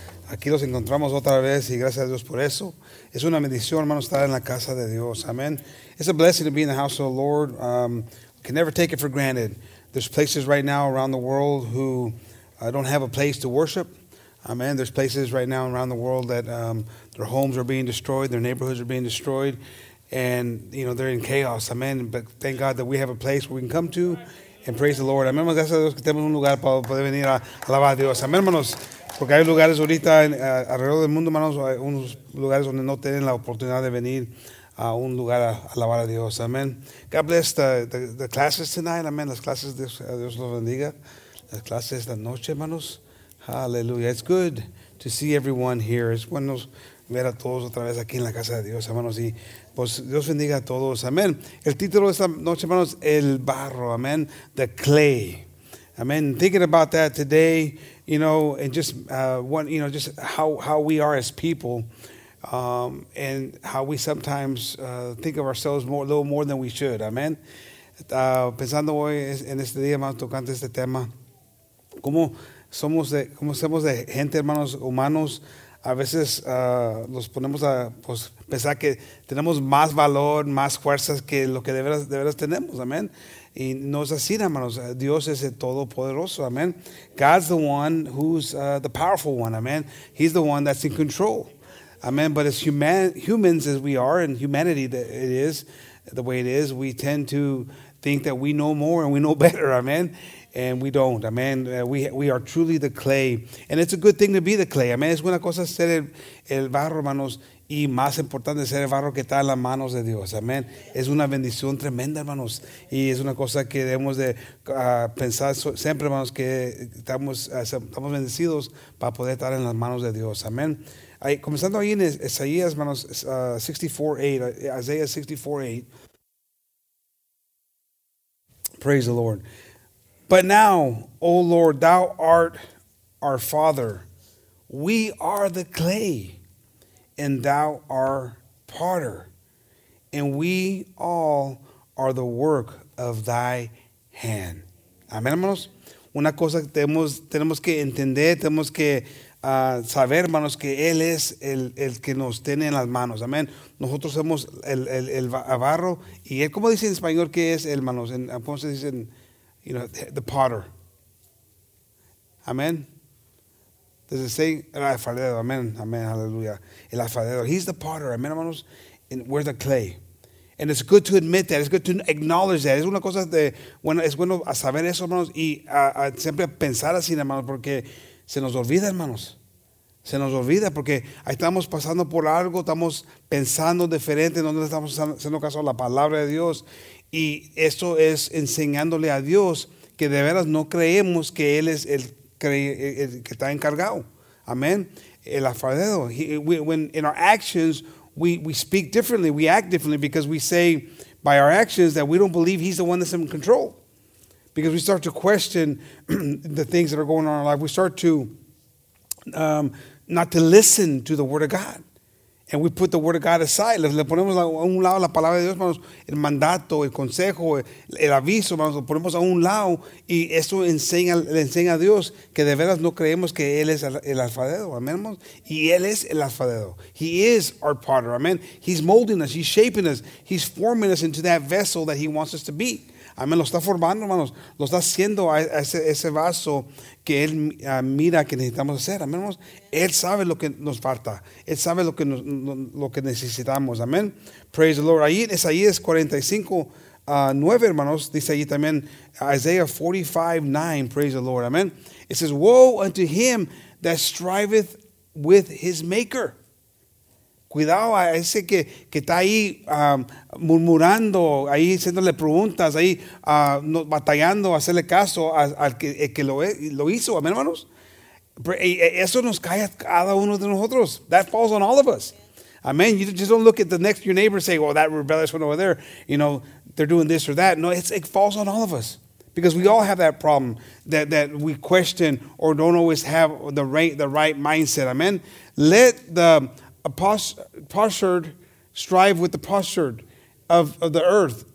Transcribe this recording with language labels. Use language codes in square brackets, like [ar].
[es] Aquí los encontramos otra vez y gracias a Dios por eso. Es una bendición, hermanos, estar en la casa de Dios. [en] Amen. It's a blessing to be in the house of the Lord. Can never take it for granted. There's places right now around the world who don't have a place to worship. Amen. There's places right now around the world that their homes are being destroyed, their neighborhoods are being destroyed, and, you know, they're in chaos. Amen. But thank God that we have a place where we can come to and praise the Lord. Amen. [es] Gracias a Dios que tenemos un lugar para poder venir a alabar a Dios. Amen, hermanos. Porque hay lugares ahorita alrededor del mundo, hermanos, hay unos lugares donde no tienen la oportunidad de venir a un lugar a alabar a Dios. [en] Amen. God bless the classes tonight. Amen. [es] Las clases, Dios los bendiga. Las clases de noche, hermanos. [en] Hallelujah. It's good to see everyone here. [es] Es bueno ver a todos otra vez aquí en la casa de Dios, hermanos. Y pues Dios bendiga a todos. Amen. El título de esta noche, hermanos, el barro. [en] Amen. The clay. Amen. Thinking about that today, you know, and just one, you know, just how we are as people, and how we sometimes think of ourselves more, a little more than we should. Amen. [es] Pensando hoy en este día, hermanos, tocando este tema, cómo somos de gente, hermanos, humanos, a veces los ponemos a pues, pensar que tenemos más valor, más fuerzas que lo que de veras tenemos. Amen. Y no es así, hermanos. Dios es el todopoderoso. Amen. [en] God's the one who's the powerful one. Amen. He's the one that's in control. Amen. But as humans as we are, and humanity that it is the way it is, we tend to think that we know more and we know better. Amen. And we don't. Amen. We are truly the clay. And it's a good thing to be the clay. [es] Amen. Es buena cosa ser el barro, hermanos. Y más importante ser el barro que está en las manos de Dios. Amén. Es una bendición tremenda, hermanos. Y es una cosa que debemos de pensar siempre, hermanos, que estamos bendecidos para poder estar en las manos de Dios. Amén. Comenzando ahí en Isaías, hermanos, 64:8. Isaías 64:8. [en] Praise the Lord. But now, O Lord, thou art our Father. We are the clay. And thou art potter, and we all are the work of thy hand. [es] Amén, hermanos. Una cosa que tenemos que entender, tenemos que saber, hermanos, que Él es el que nos tiene en las manos. Amén. Nosotros somos el barro, y Él, ¿cómo dice en español que es, hermanos? En Ponce dicen, [en] you know, the potter. Amén. Does it say el alfarero? Amen, amen, hallelujah. El alfarero. He's the potter, amen, [es] hermanos. [en] And we're the clay. And it's good to admit that. It's good to acknowledge that. [es] Es una cosa de bueno, es bueno saber eso, hermanos, y siempre pensar así, hermanos, porque se nos olvida, hermanos. Se nos olvida porque estamos pasando por algo, estamos pensando diferente, no estamos haciendo caso a la palabra de Dios. Y esto es enseñándole a Dios que de veras no creemos que Él es el que está encargado. Amen. El alfarero. [en] When in our actions, we speak differently, we act differently because we say by our actions that we don't believe he's the one that's in control. Because we start to question the things that are going on in our life. We start to not to listen to the word of God. And we put the word of God aside. [es] Le ponemos a un lado la palabra de Dios, hermanos, el mandato, el consejo, el aviso, hermanos, lo ponemos a un lado. Y eso le enseña a Dios que de veras no creemos que Él es el alfarero. Amén, hermanos. Y Él es el alfarero. [en] He is our potter. Amen. He's molding us. He's shaping us. He's forming us into that vessel that he wants us to be. [es] Amén. Lo está formando, hermanos. Lo está haciendo a ese vaso que Él mira que necesitamos hacer. Amén, hermanos. Él sabe lo que nos falta. Él sabe lo que necesitamos. Amén. [en] Praise the Lord. [es] Ahí es Isaías 45:9, hermanos. Dice ahí también Isaiah 45:9. [en] Praise the Lord. [es] Amén. [en] It says, woe unto him that striveth with his maker. [es] Cuidado a ese que está ahí murmurando, ahí haciéndole preguntas, ahí batallando, hacerle caso al que lo hizo. Amén, hermanos. Eso nos cae a cada uno de nosotros. [en] That falls on all of us. Amén. You just don't look at the next your neighbor and say, well, that rebellious one over there, you know, they're doing this or that. No, it falls on all of us. Because we all have that problem that we question or don't always have the right mindset. Amen. Let the postured strive with the postured of the earth.